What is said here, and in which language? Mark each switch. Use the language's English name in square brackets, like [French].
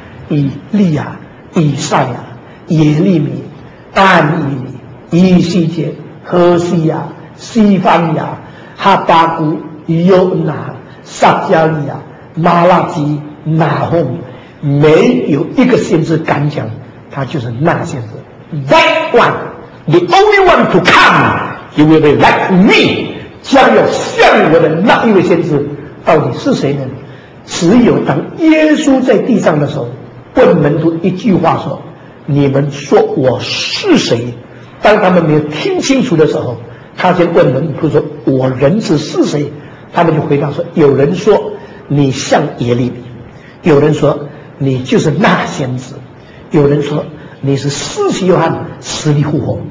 [Chinese] 以利亚、以赛亚、耶利米、但以理、以西结、何西亚、西番牙、哈巴古、尤拿、撒迦利亚、马拉基、拿鸿，没有一个先知敢讲他就是那先知。 [English] That one, the only one to come, he will be like me, [Chinese] 将要像我的那一位先知到底是谁呢？只有当耶稣在地上的时候问门徒一句话说，你们说我是谁？当他们没有听清楚的时候，他先问门徒说，我人子是谁？他们就回答说，有人说你像耶利米，有人说你就是那先知，有人说你是施洗约翰死里复活。